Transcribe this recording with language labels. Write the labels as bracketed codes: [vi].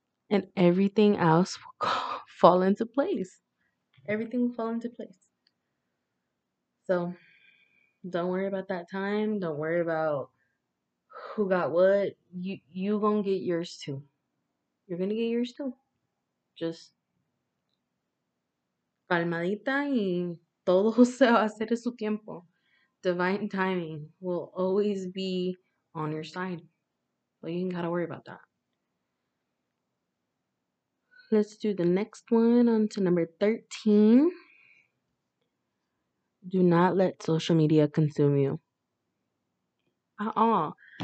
[en] And everything else will fall into place. Everything will fall into place. So don't worry about that time. Don't worry about who got what. You gonna get yours too. You're gonna get yours too. Just [es] calmadita y todo se va a hacer su tiempo. [en] Divine timing will always be on your side. But you ain't gotta worry about that. Let's do the next one on to number 13. Do not let social media consume you. At all.